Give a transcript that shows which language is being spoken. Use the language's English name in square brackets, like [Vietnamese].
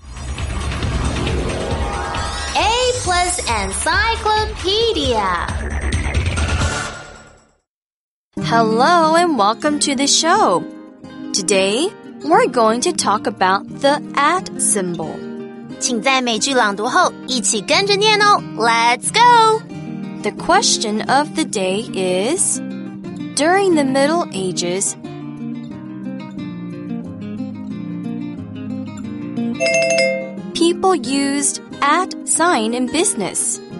[English] A Plus Encyclopedia. Hello and welcome to the show. Today, we're going to talk about the at symbol. [Chinese] 请在每句朗读后一起跟着念哦。 [English] Let's go! The question of the day is... During the Middle Ages, people used at sign in business.